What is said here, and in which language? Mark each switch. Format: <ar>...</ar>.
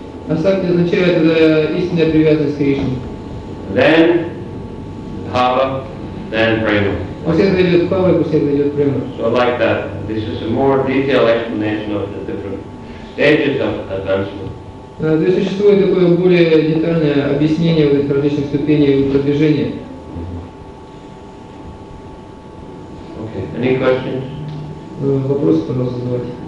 <ru>Asakti означает истинная привязанность к Кришне.</ru> <en>Then Baba, then Prema.</en> <ru>После этого идет Баба, после этого идет Према.</ru> <en>So like that. This is a more detailed explanation of the different stages of advancement.</en> <ru>То есть существует такое более детальное объяснение в этих различных ступеней продвижения.</ru> <en>Okay. Any questions?</en> <ru>Вопросы, пожалуйста, задавайте.</ru>